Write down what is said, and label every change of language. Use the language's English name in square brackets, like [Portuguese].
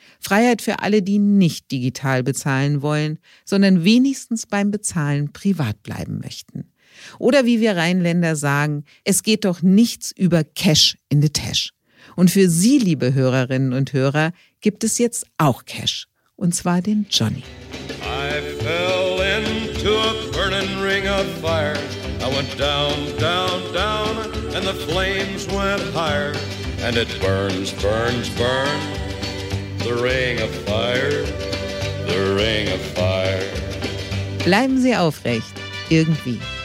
[German] Freiheit für alle, die nicht digital bezahlen wollen, sondern wenigstens beim Bezahlen privat bleiben möchten. Oder wie wir Rheinländer sagen, es geht doch nichts über [English] Cash in the Tash. [German] Und für Sie, liebe Hörerinnen und Hörer, gibt es jetzt auch Cash. Und zwar den Johnny. [English] I fell into a burning ring of fire. I went down, down, down, and the flames went higher. And it burns, burns, burns, the ring of fire, the ring of fire. [German] Bleiben Sie aufrecht, irgendwie.